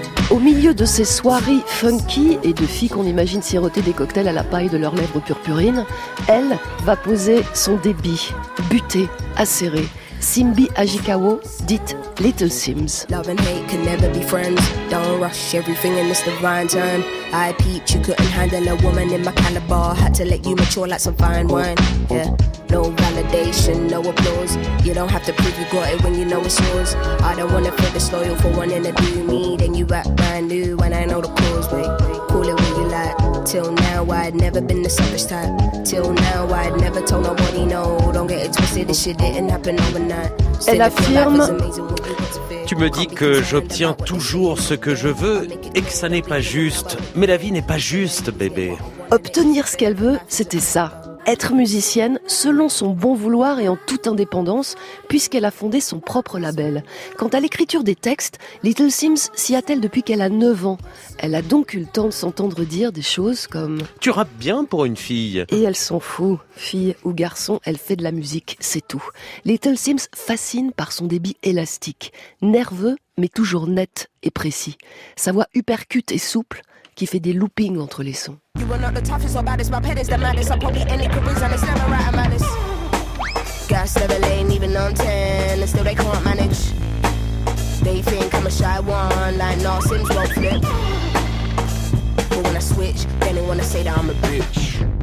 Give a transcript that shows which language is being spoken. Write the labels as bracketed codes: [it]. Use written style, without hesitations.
[fr] Au milieu de ces soirées funky et de filles qu'on imagine siroter des cocktails à la paille de leurs lèvres purpurines, elle va poser son débit, buté, acéré. Simbi Ajikawo, dite Little Sims. [en] Love and hate can never be friends. Don't rush everything in this divine time. I peeped, you couldn't handle a woman in my caliber. Had to let you mature like some fine wine. Yeah. No validation, no applause. You don't have to prove you got it when you know it's yours. I don't wanna feel disloyal for wanting to do me. Then you act brand new when I know the cause. Wait, call it what you like. Till now I'd never been the selfish type. Till now I'd never told nobody no. Don't get it twisted, this shit didn't happen overnight. [fr] Elle affirme, tu me dis que j'obtiens toujours ce que je veux et que ça n'est pas juste. Mais la vie n'est pas juste, bébé. Obtenir ce qu'elle veut, c'était ça. Être musicienne, selon son bon vouloir et en toute indépendance, puisqu'elle a fondé son propre label. Quant à l'écriture des textes, Little Sims s'y attelle depuis qu'elle a 9 ans. Elle a donc eu le temps de s'entendre dire des choses comme « Tu rappes bien pour une fille !» Et elle s'en fout. Fille ou garçon, elle fait de la musique, c'est tout. Little Sims fascine par son débit élastique, nerveux mais toujours net et précis. Sa voix hypercute et souple, qui fait des loopings entre les sons. [en] You are not the toughest or baddest, my pet is the maddest. I'll probably end it quick reason, it's never right, I'm honest. Gas never lane, even on 10, and still they can't manage. They think I'm a shy one, like Narsims won't flip. But when I switch, then they wanna say that I'm a bitch.